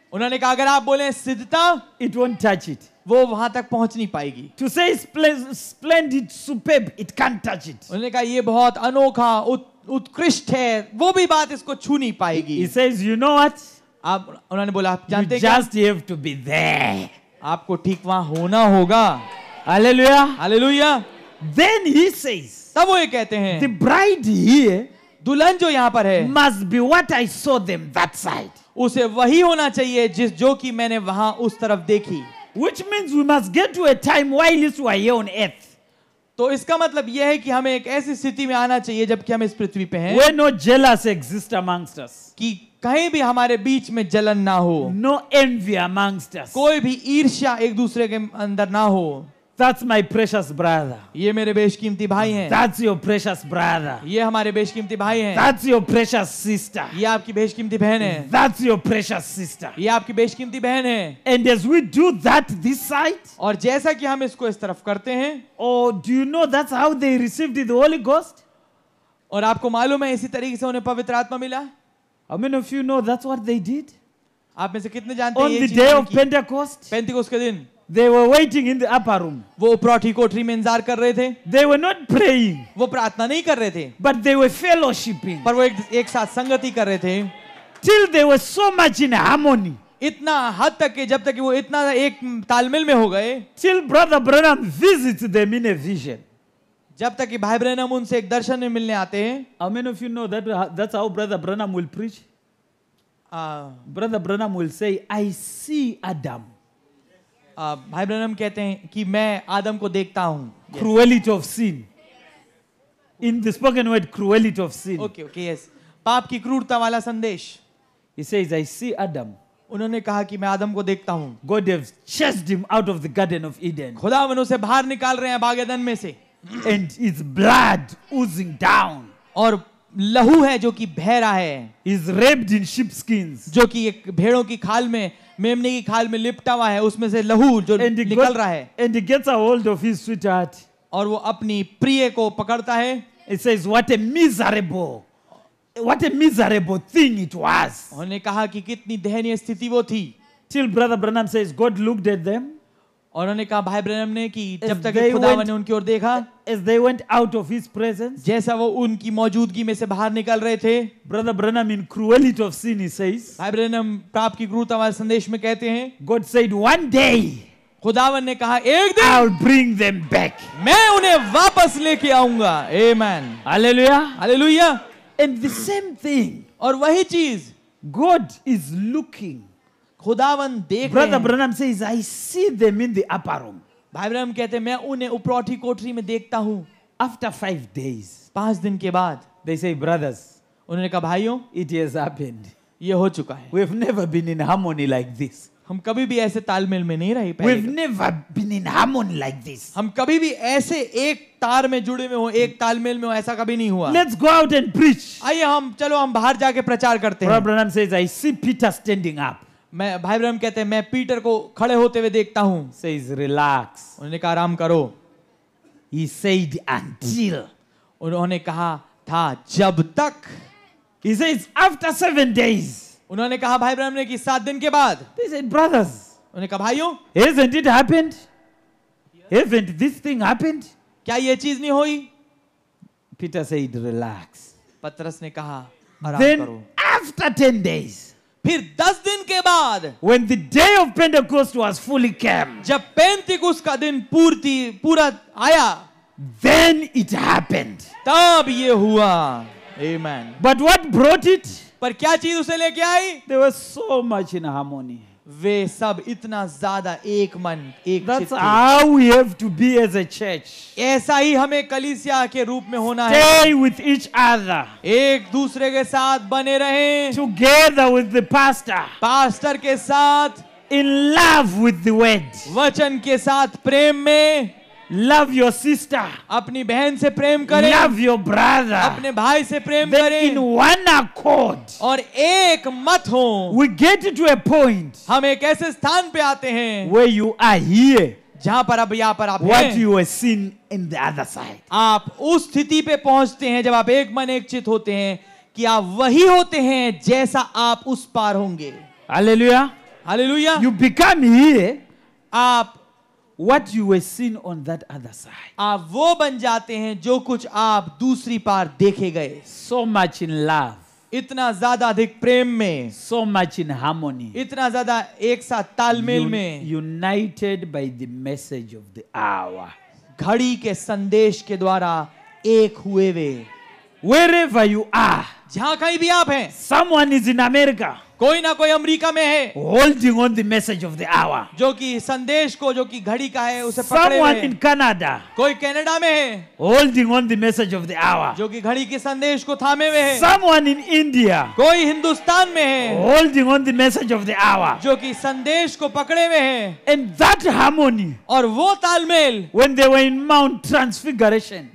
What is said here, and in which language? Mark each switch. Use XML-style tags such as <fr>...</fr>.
<hi>उन्होंने कहा अगर आप बोलें सिद्धता,</hi> <en>it won't touch it,</en> <hi>वो वहां तक पहुंच नहीं पाएगी.</hi> <en>To say splendid, superb, it can't touch it.</en> <hi>उन्होंने कहा ये बहुत अनोखा, उत्कृष्ट है, वो भी बात इसको छू नहीं पाएगी.</hi> <en>He says, you know what?</en> <hi>आप, उन्होंने बोला आप जानते हैं,</hi> <en>you just have to be there.</en> <hi>आपको ठीक वहां होना होगा.</hi> <en>Hallelujah. Hallelujah. Then he says,</en> <hi>तब वो ये कहते हैं,</hi> <en>the bride here,</en> <hi>दुल्हन जो यहाँ पर है,</hi> <en>must be what I saw them that side,</en> <hi>उसे वही होना चाहिए जिस जो कि मैंने वहां उस तरफ देखी.</hi> <en>Which means we must get to a time while we are here on earth.</en> <hi>तो इसका मतलब यह है कि हमें एक ऐसी स्थिति में आना चाहिए जबकि हम इस पृथ्वी पे हैं,</hi> <en>where no jealous exists amongst us,</en> <hi>कि कहीं भी हमारे बीच में जलन ना हो.</hi> <en>No envy amongst us,</en> <hi>कोई भी ईर्ष्या एक दूसरे के अंदर ना हो.</hi> <en>That's my precious brother.</en> <hi>ये मेरे बेशकीमती भाई हैं.</hi> <en>That's your precious brother.</en> <hi>ये हमारे बेशकीमती भाई हैं.</hi> <en>That's your precious sister.</en> <hi>ये आपकी बेशकीमती बहन हैं.</hi> <en>That's your precious sister.</en> <hi>ये आपकी बेशकीमती बहन हैं.</hi> <en>And as we do that this side,</en> <hi>और जैसा कि हम इसको इस तरफ करते हैं,</hi> <en>oh, do you know that's how they received the Holy Ghost?</en> <hi>और आपको मालूम है इसी तरीके से उन्हें पवित्र आत्मा मिला?</hi> <en>How many of you know that's what they did?</en> <hi>आप में से कितने जानते हैं?</hi> <en>On the day of Pentecost,</en> <hi>Pentecost के दिन.</hi> <en>They were waiting in the upper room.</en> <hi>वो उपरोठी कोठरी में इंतजार कर रहे थे.</hi> <en>They were not praying.</en> <hi>वो प्रार्थना नहीं कर रहे थे.</hi> <en>But they were fellowshipping.</en> <hi>पर वो एक साथ संगति कर रहे थे.</hi> <en>Till they were so much in harmony.</en> <hi>इतना हद तक के जब तक वो इतना एक तालमेल में हो गए.</hi> <en>Till Brother Branham visits them in a vision.</en> <hi>जब तक कि भाई ब्रैनम उनसे एक दर्शन में मिलने आते हैं.</hi> <en>How many of you know that that's how brother Branham will preach? Brother Branham will say, I see Adam.</en> <hi>भाई ब्रैनम कहते हैं कि मैं आदम को देखता हूं.</hi> <en>Cruelty of sin. In the spoken word, cruelty of sin. Okay, yes.</en> <hi>पाप की क्रूरता वाला संदेश.</hi> <en>He says, I see Adam.</en> <hi>उन्होंने कहा कि मैं आदम को देखता हूं.</hi> <en>God has chased him out of the garden of Eden.</en> <hi>खुदावन उसे बाहर निकाल रहे हैं बाग एदन में से.</hi> <en>And his blood oozing down.</en> <hi>और लहू है जो कि बह रहा है.</hi> <en>He's wrapped in sheepskins.</en> <hi>जो कि एक भेड़ों की खाल में, मेमने की खाल में लिपटा हुआ है, उसमें से लहू जो निकल रहा है.</hi> <en>And he gets a hold of his sweetheart.</en> <hi>और वो अपनी प्रिय को पकड़ता है.</hi> <en>It says, what a miserable thing it was.</en> <hi>उन्होंने कहा कि कितनी दयनीय स्थिति वो थी.</hi> <en>Till brother Branham says, God looked at them.</en> <hi>और उन्होंने कहा भाई ब्रैनम ने कि जब तक खुदावन ने उनकी ओर देखा,</hi> <en>as they went out of his presence,</en> <hi>जैसा वो उनकी मौजूदगी में से बाहर निकल रहे थे,</hi> <en>brother Branham in cruelty of sin, he says,</en> <hi>भाई ब्रैनम पाप की क्रूरता वाले संदेश में कहते हैं,</hi> <en>God said, one day,</en> <hi>खुदावन ने कहा एक दिन,</hi> <en>I'll bring them back,</en> <hi>मैं उन्हें वापस लेके आऊंगा.</hi> <en>Amen. Hallelujah. Hallelujah. And the same thing,</en> <hi>और वही चीज,</hi> <en>God is looking.</en> <hi>खुदावन देख</hi> <en>Brother Branham says, I see them in the upper room.</en> <hi>भाई ब्रैनम कहते हैं मैं उन्हें ऊपरी कोठरी में देखता हूं.</hi> <en>After 5 days,</en> <hi>5 दिन के बाद,</hi> <en>they say, brothers,</en> <hi>उन्होंने कहा भाइयों,</hi> <en>it has happened.</en> <hi>ये हो चुका है.</hi> <en>We have never been in harmony like this.</en> <hi>हम कभी भी ऐसे तालमेल में नहीं रहे पहले.</hi> <en>We have never been in harmony like this.</en> <hi>हम कभी भी ऐसे एक तार में जुड़े हुए हो, एक तालमेल में हो, ऐसा कभी नहीं हुआ.</hi> <en>Let's go out and preach.</en> <hi>आइए हम चलो हम बाहर जाके प्रचार करते हैं.</hi> <en>Brother Branham says, I see Peter standing up.</en> <hi>मैं भाई ब्रैनम कहते हैं मैं पीटर को खड़े होते हुए देखता हूं.</hi> <en>Says, relax.</en> <hi>उन्होंने कहा आराम करो.</hi> <en>He said, until.</en> <hi>उन्होंने कहा था जब तक.</hi> <en>He says, after 7 days.</en> <hi>उन्होंने कहा भाई ब्रैनम ने कि 7 दिन के बाद.</hi> <en>They said, brothers.</en> <hi>उन्होंने कहा भाइयों,</hi> <en>hasn't it happened? Hasn't this thing happened?</en> <hi>क्या ये चीज नहीं हुई?</hi> <en>Peter said, relax.</en> <hi>पतरस ने कहा</hi> <en>then</en> <hi>करो.</hi> <en>After 10 days.</en> <hi>फिर 10 दिन के बाद,</hi> <en>when the day of Pentecost was fully came,</en> <hi>जब पेंटिकोस्ट का दिन पूरा आया,</hi> <en>then it happened.</en> <hi>तब ये हुआ. Amen.</hi> <en>But what brought it?</en> <hi>पर क्या चीज उसे लेके आई?</hi> <en>There was so much in harmony.</en> <hi>वे सब इतना ज्यादा एक मन एक.</hi> <en>That's how we have to be as a church.</en> <hi>ऐसा ही हमें कलीसिया के रूप में होना.</hi> <en>Stay</en> <hi>है.</hi> <en>Stay with each other.</en> <hi>एक दूसरे के साथ बने रहें.</hi> <en>Together with the pastor.</en> <hi>Pastor के साथ.</hi> <en>In love with the word.</en> <hi>वचन के साथ प्रेम में.</hi> <en>Love your sister.</en> <hi>अपनी बहन से प्रेम करें.</hi> <en>Love your brother.</en> <hi>अपने भाई से प्रेम</hi> <en>then</en> <hi>करें.</hi> <en>In one accord.</en> <hi>और एक मत हो.</hi> <en>We get to a point.</en> <hi>हम एक ऐसे स्थान पे आते हैं.</hi> <en>Where you are here.</en> <hi>जहां पर अब यहां पर आप</hi> <en>what</en> <hi>हैं.</hi> <en>What you have seen in the other side.</en> <hi>आप उस स्थिति पे पहुंचते हैं जब आप एक मन एक चित होते हैं कि आप वही होते हैं जैसा आप उस पार होंगे.</hi> <en>Hallelujah. Hallelujah. You become here.</en> <hi>आप</hi> <en>what you were seen on that other side.</en> <hi>आप वो बन जाते हैं जो कुछ आप दूसरी पार देखे गए.</hi> <en>So much in love.</en> <hi>इतना ज्यादा अधिक प्रेम में.</hi> <en>So much in harmony.</en> <hi>इतना ज्यादा एक साथ तालमेल में.</hi> <en>United by the message of the hour.</en> <hi>घड़ी के संदेश के द्वारा एक हुए वे.</hi> <en>Wherever you are.</en> <hi>जहां कहीं भी आप हैं.</hi> <en>Someone is in America.</en> <hi>कोई ना कोई अमेरिका में है.</hi> <en>Holding on the message of the hour.</en> <hi>जो कि संदेश को जो कि घड़ी का है उसे पकड़े हुए.</hi> <en>Someone in Canada.</en> <hi>कोई कनाडा में है.</hi> <en>Holding on the message of the hour.</en> <hi>जो कि घड़ी के संदेश को थामे हुए है.</hi> <en>Someone in India.</en> <hi>कोई हिंदुस्तान में है.</hi> <en>Holding on the message of the hour.</en> <hi>जो कि संदेश को पकड़े हुए है.</hi> <en>And that harmony.</en> <hi>और वो तालमेल.</hi> <en>When they were in Mount Transfiguration.</en>